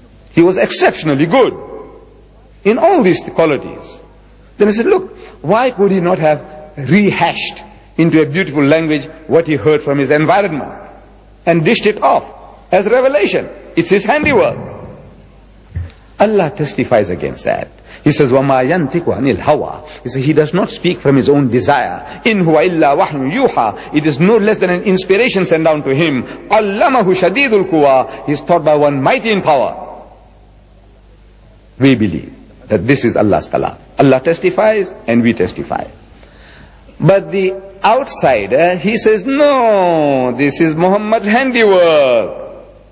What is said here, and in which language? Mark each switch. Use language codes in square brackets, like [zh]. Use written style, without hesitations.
[en] He was exceptionally good in all these qualities. Then I said, look, why could he not have rehashed into a beautiful language what he heard from his environment and dished it off as revelation? It's his handiwork. Allah testifies against that. He says, [ar] وَمَا يَنْتِقُ عَنِ الْهَوَىٰ. [en] He says, he does not speak from his own desire. [ar] إِنْ هُوَ إِلَّا وَحْيٌ يُوحَىٰ. [en] It is no less than an inspiration sent down to him. [ar] عَلَّمَهُ شَدِيدُ الْقُوَىٰ. [en] He is taught by one mighty in power. We believe that this is Allah's kalam. Allah testifies and we testify. But the outsider, he says, no, this is Muhammad's handiwork.